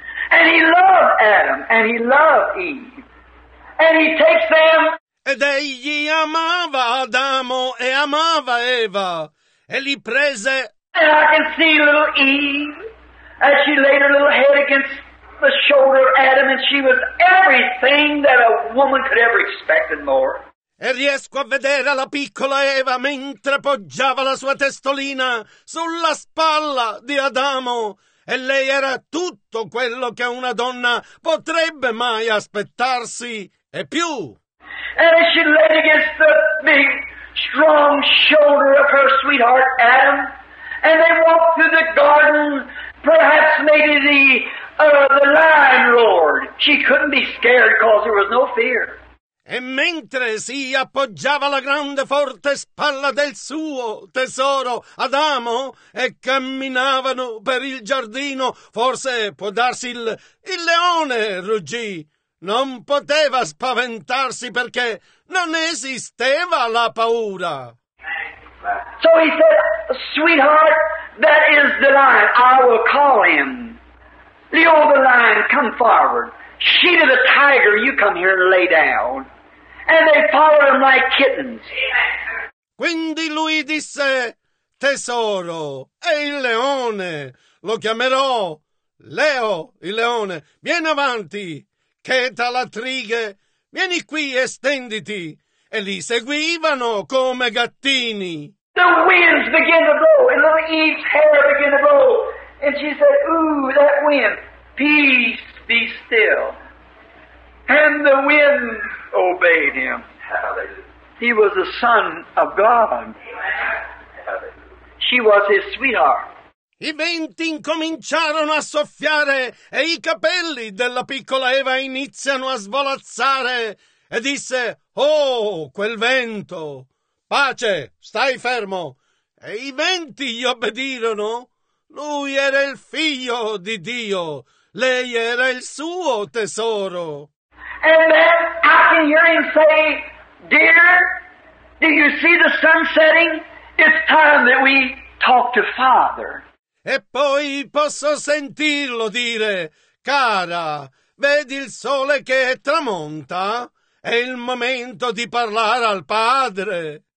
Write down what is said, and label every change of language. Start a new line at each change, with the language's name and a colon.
English: And he loved Adam and he loved Eve. And he takes them.
Italian: Ed egli amava Adamo e amava Eva. E li prese.
English: And I can see little Eve as she laid her little head against the shoulder of Adam, and she was everything that a woman could ever expect and more.
Italian: E riesco a vedere la piccola Eva mentre poggiava la sua testolina sulla spalla di Adamo, e lei era tutto quello che una donna potrebbe mai aspettarsi e più.
English: And as she laid against the big strong shoulder of her sweetheart Adam, and they walked through the garden, perhaps maybe the lion roared. She couldn't be scared because there was no fear.
Italian: E mentre si appoggiava la grande forte spalla del suo tesoro Adamo e camminavano per il giardino, forse può darsi il leone ruggì. Non poteva spaventarsi perché non esisteva la paura.
English: So he said, sweetheart, that is the lion. I will call him. Leo the lion, come forward. Sheeta the tiger, you come here and lay down. And they followed him like kittens.
Italian: Quindi lui disse, tesoro, è il leone. Lo chiamerò Leo, il leone. Vieni avanti. Cheta la trighe, vieni qui e stenditi. E li seguivano come gattini.
English: The winds began to blow, and little Eve's hair began to blow. And she said, ooh, that wind, peace, be still. And the wind obeyed him. Hallelujah. He was the son of God. Hallelujah. She was his sweetheart.
Italian: I venti incominciarono a soffiare e i capelli della piccola Eva iniziano a svolazzare e disse, oh, quel vento, pace, stai fermo. E i venti gli obbedirono, lui era il figlio di Dio, lei era il suo tesoro.
English: And then I can hear him say, dear, do you see the sun setting? It's time that we talk to Father.
Italian: E poi posso sentirlo dire, cara, vedi il sole che tramonta? È il momento di parlare al Padre.